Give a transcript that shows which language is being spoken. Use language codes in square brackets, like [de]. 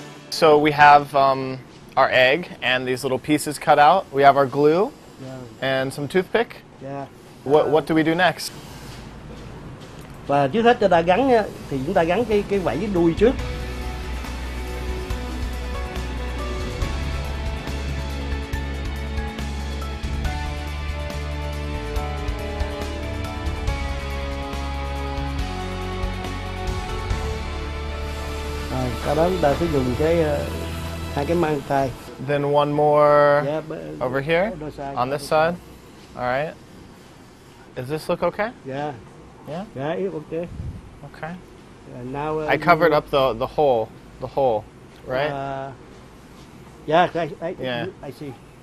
[en] So we have our egg and these little pieces cut out. We have our glue and some toothpick. Yeah. What do we do next? [vi] Và trước hết chúng ta gắn thì chúng ta gắn cái vảy đuôi trước. Sau đó chúng ta sẽ dùng cái hai cái mang tay. [en] Then one more over here on this side. All right. Does this look okay? Yeah, okay. Okay. Now I covered up the hole, right? I see.